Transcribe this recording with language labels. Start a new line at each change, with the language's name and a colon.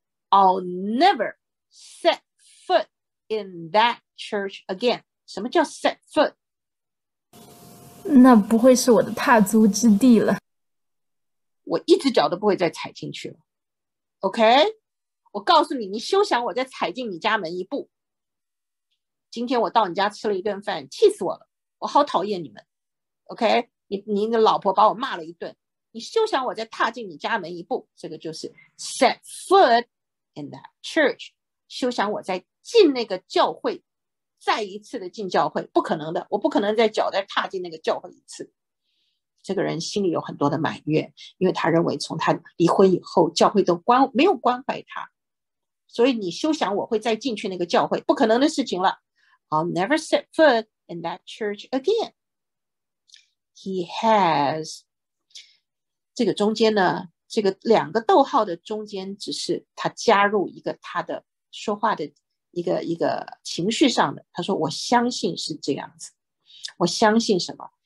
English: I'll never set foot in that church again.
Chinese: 什么叫 set foot? 那不会是我的踏足之地了。我一只脚都不会再踩进去了。 OK? 我告诉你，你休想我再踩进你家门一步。今天我到你家吃了一顿饭，气死我了，我好讨厌你们。 OK? 你的老婆把我骂了一顿。你休想我再踏进你家门一步，这个就是
English: set foot in that church，
Chinese: 休想我再进那个教会，再一次的进教会，不可能的，我不可能再脚再踏进那个教会一次。这个人心里有很多的埋怨，因为他认为从他离婚以后，教会都没有关怀他，所以你休想我会再进去那个教会，不可能的事情了。
English: I'll never set foot in that church again. He has
Chinese: 这个中间呢，这个两个逗号的中间只是他加入一个他的说话的一个情绪上的，他说我相信是这样子，我相信什么？